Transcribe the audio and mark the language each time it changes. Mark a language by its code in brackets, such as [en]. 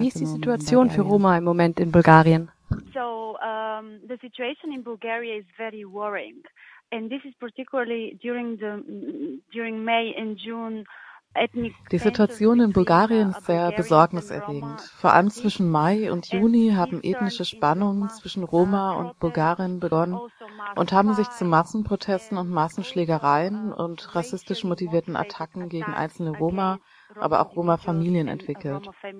[de] wie ist die Situation für Roma im Moment in Bulgarien? [en] So, the situation in Bulgaria is very worrying, and this is particularly during May and June. [de] Die Situation in Bulgarien ist sehr besorgniserregend. Vor allem zwischen Mai und Juni haben ethnische Spannungen zwischen Roma und Bulgarien begonnen und haben sich zu Massenprotesten und Massenschlägereien und rassistisch motivierten Attacken gegen einzelne Roma, aber auch Roma-Familien entwickelt.